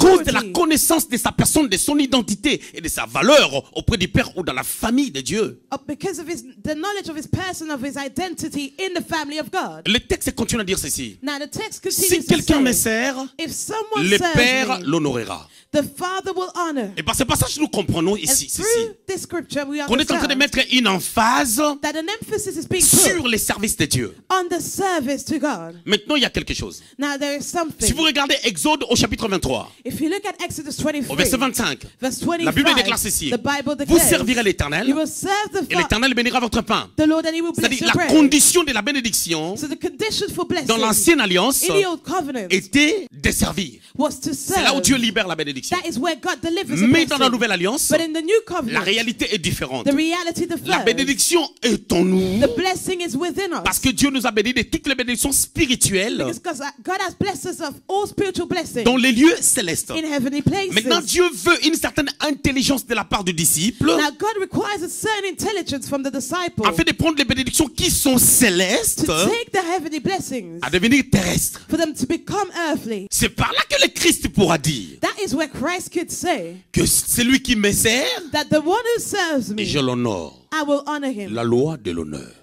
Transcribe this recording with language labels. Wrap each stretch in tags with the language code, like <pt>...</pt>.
<fr>À cause de la connaissance de sa personne, de son identité et de sa valeur auprès du Père ou dans la famille de Dieu.</fr> <en>Because of his, the knowledge of his person, of his identity in the family of God.</en> <fr>Le texte continue à dire ceci.</fr> <en>Now the text continues</en> <fr>si quelqu'un</fr> <en>to say,</en> <fr>me sert,</fr> <en>if someone</en> <fr>le Père l'honorera.</fr> <en>The Father will honor.</en> <fr>Et par ce passage, nous comprenons ici ceci. Qu'on est en train de mettre une emphase</fr> <en>that an emphasis is being</en> <fr>sur les services de Dieu.</fr> <en>On the service to God.</en> <fr>Maintenant, il y a quelque chose.</fr> <en>Now, there is something.</en> <fr>Si vous regardez Exode au chapitre 23,</fr> <en>if you look at Exodus 23,</en> <fr>au verset 25,</fr> <en>verse 25,</en> <fr>la Bible déclare ceci.</fr> <en>The Bible declares,</en> <fr>vous servirez l'Éternel</fr> <en>you will serve the</en> <fr>et l'Éternel bénira votre pain.</fr> <en>The Lord, and he will bless</en> <fr>c'est-à-dire</fr> <en>your</en> <fr>la</fr> <en>bread.</en> <fr>Condition de la bénédiction</fr> <en>so the condition for blessing</en> <fr>dans l'ancienne alliance</fr> <en>in the old covenant</en> <fr>était de servir.</fr> <en>Was to serve.</en> <fr>C'est là où Dieu libère la bénédiction.</fr> <en>That is where God delivers</en> <fr>mais blessing. Dans la nouvelle alliance,</fr> <en>but in the new covenant,</en> <fr>la réalité est différente.</fr> <en>The reality differs.</en> <fr>La bénédiction est en nous.</fr> <en>The blessing is within us.</en> <fr>Parce que Dieu nous a bénis de toutes les bénédictions spirituelles.</fr> <en>Because God has blessed us of all spiritual blessings.</en> <fr>Dans les lieux célestes.</fr> <en>In heavenly places.</en> <fr>Maintenant, Dieu veut une certaine intelligence de la part du disciple.</fr> <en>Now God requires a certain intelligence from the disciple.</en> <fr>Afin de prendre les bénédictions qui sont célestes.</fr> <en>To take the heavenly blessings.</en> <fr>À devenir terrestres.</fr> <en>For them to become earthly.</en> <fr>C'est par là que le Christ pourra dire.</fr> <en>That is where Christ could say</en> <fr>que celui qui me sert,</fr> <en>that the one who serves me,</en> <fr>je l'honore.</fr> <en>I will honor him.</en> <fr>La loi de l'honneur.</fr>